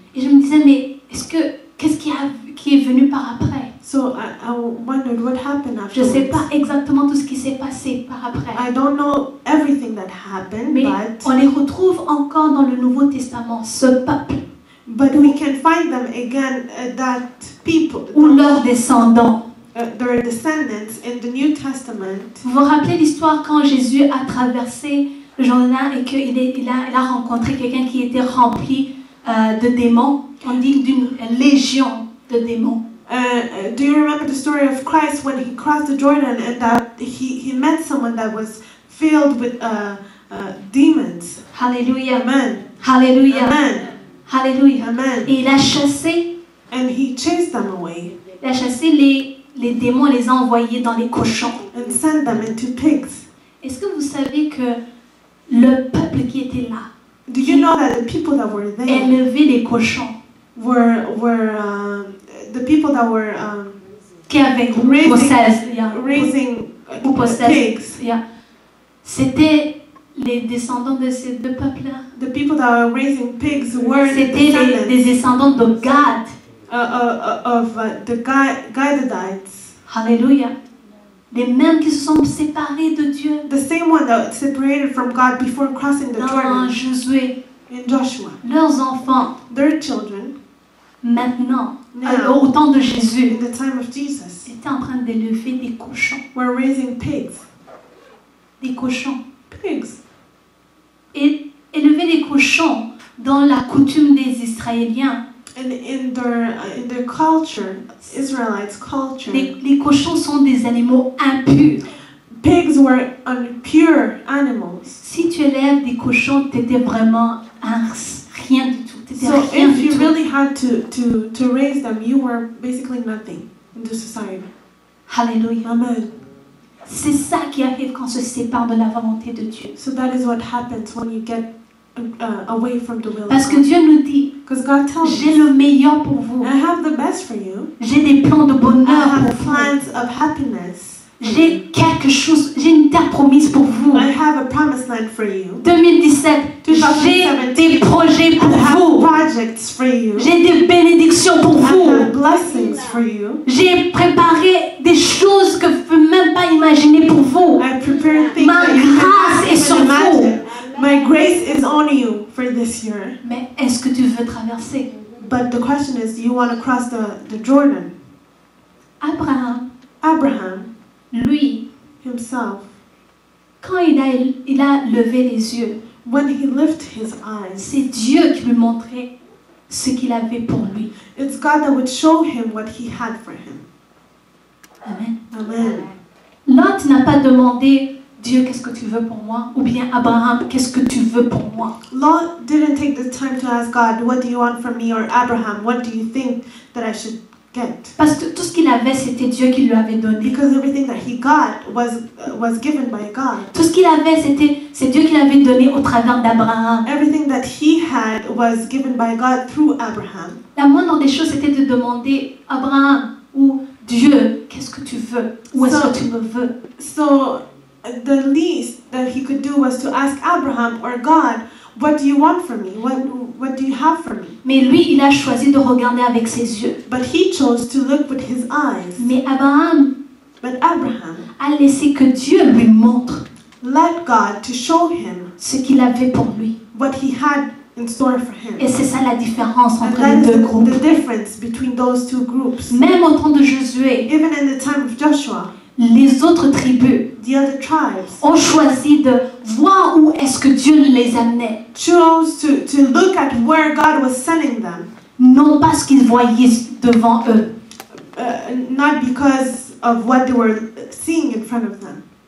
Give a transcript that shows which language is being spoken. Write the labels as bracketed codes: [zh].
[fr] Et je me disais, mais qu'est-ce qui est venu par après? [en] So I wondered what happened after. [fr] Je sais pas exactement tout ce qui s'est passé par après. [en] I don't know everything that happened, [fr] mais [en] but [fr] on les retrouve encore dans le Nouveau Testament, ce peuple. [en] But we can find them again, that people. [fr] Ou leurs descendants. [en] Their descendants in the New Testament. [fr] Vous vous rappelez l'histoire quand Jésus a traversé le Jourdain et qu'il a rencontré quelqu'un qui était rempli de démons, on dit d'une légion de démons. [en] Do you remember the story of Christ when he crossed the Jordan and that he met someone that was filled with demons? Hallelujah. Amen. Hallelujah. Amen. Hallelujah. Amen. [fr] Et il a chassé. [en] And he chased them away. [fr] Il a chassé les démons, les a envoyés dans les cochons. [en] And sent them into pigs. [fr] Est-ce que vous savez que le peuple qui était là, [en] do you know that the people that were there, [fr] élevait les cochons, [en] the people that were [fr] qui avaient [en] raising, possessed, yeah, raising ou possessed, pigs, [fr] yeah, c'était les descendants de ces deux peuples-là. [en] The people that were raising pigs were [fr] c'était les descendants de Gad. [en] The Gadites. Hallelujah. [fr] Les mêmes qui se sont séparés de Dieu. [en] The same one that separated from God before crossing the Jordan. [fr] Dans Josué. [en] In Joshua. [fr] Leurs enfants. [en] Their children. [fr] Maintenant. Au temps de Jésus. [en] In the time of Jesus. [fr] Étaient en train d'élever des cochons. [en] Were raising pigs. [fr] Des cochons. [en] Pigs. [fr] Et élever des cochons dans la coutume des Israéliens. [en] And in their culture, Israelites' culture, [fr] les cochons sont des animaux impurs. [en] Pigs were impure animals. [fr] Si tu élèves des cochons, t'étais vraiment rien du tout. [en] So if you really had to raise them, you were basically nothing in the society. Hallelujah. Amen. [fr] C'est ça qui arrive quand on se sépare de la volonté de Dieu. [en] So that is what happens when you get away from the will. [fr] Parce que Dieu nous dit, j'ai le meilleur pour vous. [en] I have the best for you. [fr] J'ai des plans de bonheur pour [en] I have plans of happiness. [fr] J'ai quelque chose, j'ai une terre promise pour vous. [en] I have a promised land for you. [fr] 2017, j'ai des projets pour [en] I have [fr] vous. [en] Projects for you. [fr] J'ai des bénédictions pour [en] I have [fr] vous. [en] Blessings for you. [fr] J'ai préparé des choses que vous ne pouvez même pas imaginer pour vous. [en] I prepare things [fr] ma grâce [en] that you [fr] est sur vous. [en] My grace is on you for this year. [fr] Mais est-ce que tu veux traverser? [en] But the question is, do you want to cross the Jordan? [fr] Abraham. Lui. [en] Himself. [fr] Quand il a levé les yeux. [en] When he lifted his eyes. [fr] C'est Dieu qui lui montrait ce qu'il avait pour lui. [en] It's God that would show him what he had for him. Amen. Amen. [fr] Lot n'a pas demandé. Dieu, qu'est-ce que tu veux pour moi? Ou bien Abraham, qu'est-ce que tu veux pour moi? [en] Lot didn't take the time to ask God, what do you want from me? Or Abraham, what do you think that I should get? [fr] Parce que tout ce qu'il avait, c'était Dieu qui lui avait donné. [en] Because everything that he got was given by God. [fr] Tout ce qu'il avait, c'est Dieu qui l'avait donné au travers d'Abraham. [en] Everything that he had was given by God through Abraham. [fr] La moindre des choses, c'était de demander Abraham ou Dieu, qu'est-ce que tu veux? Ou est-ce que tu me veux? [en] So the least that he could do was to ask Abraham or God, what do you want from me? What do you have for me? [fr] Mais lui, il a choisi de regarder avec ses yeux. [en] But he chose to look with his eyes. [fr] Mais Abraham, [en] but Abraham [fr] a laissé que Dieu lui montre, [en] let God to show him [fr] ce qu'il avait pour lui, [en] what he had in store for him. [fr] Et c'est ça la différence entre les deux groupes. [en] The difference between those two groups. [fr] Même au temps de Josué, [en] even in the time of Joshua, [fr] les autres tribus, [en] the other tribes, [fr] ont choisi de voir où est-ce que Dieu les amenait. [en] Chose to look at where God was sending them. [fr] Non pas ce qu'ils voyaient devant eux. [en] Not because of what they were seeing in front of them.